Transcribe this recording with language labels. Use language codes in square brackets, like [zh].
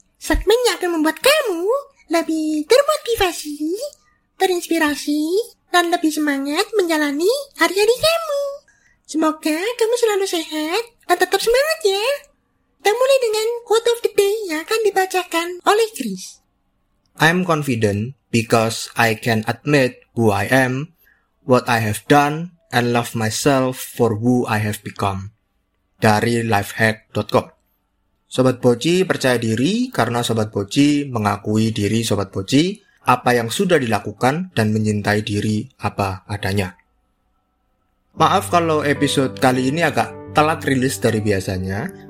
[id] Segmen yang akan membuat kamu lebih termotivasi, terinspirasi, dan lebih semangat menjalani hari-hari kamu. Semoga kamu selalu sehat dan tetap semangat ya. Kita mulai dengan [en] quote of the day [id] yang akan dibacakan oleh Chris. [en] I'm confident because I can admit who I am, what I have done, and love myself for who I have become. [id] Dari lifehack.com. Sobat Boci percaya diri karena Sobat Boci mengakui diri Sobat Boci, apa yang sudah dilakukan, dan mencintai diri apa adanya. Maaf kalau episode kali ini agak telat rilis dari biasanya.